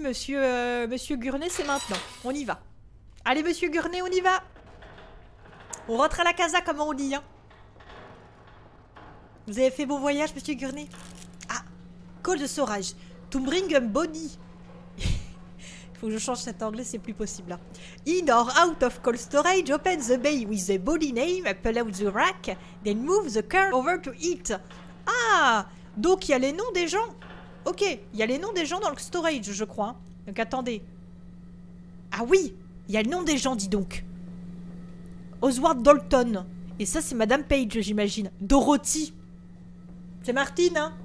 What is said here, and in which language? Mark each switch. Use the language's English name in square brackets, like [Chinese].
[French] Monsieur Gurney, c'est maintenant. On y va. Allez, monsieur Gurney, on y va. On rentre à la casa, comme on dit, hein. Vous avez fait bon voyage, monsieur Gurney? Ah, Cole de Sorage. [English] To bring a body. [French] Faut que je change cet anglais, c'est plus possible. [English] Hein. In or out of cold storage, open the bay with the body name, pull out the rack, then move the car over to it. [French] Ah, donc il y a les noms des gens. Ok, il y a les noms des gens dans le storage, je crois. Hein. Donc attendez. Ah oui, il y a le nom des gens, dis donc. Oswald Dalton. Et ça, c'est Madame Page, j'imagine. Dorothy. C'est Martine, hein?